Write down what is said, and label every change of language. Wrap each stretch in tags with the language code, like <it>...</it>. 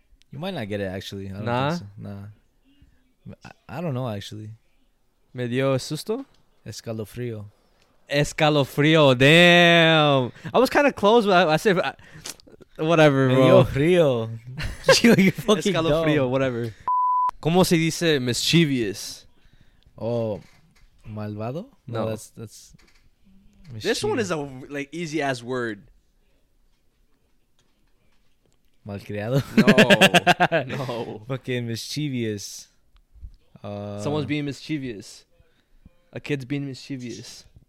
<en>You might not get it, actually. I don't know, actually.</en> <es>Me dio susto? Escalofrío. Escalofrío,</es> <en>damn. I was kind of close, but I said, whatever, bro.</en> <es>Escalofrío.</es> <en>You fucking Escalofrío, whatever.</en> <es>¿Cómo se dice mischievous? Oh, malvado? No.</es> <en>That's mischievous. This one is a like easy ass word.</en> <es>Malcriado? No.</es> <en>Fucking mischievous. Someone's being mischievous. A kid's being mischievous.</en>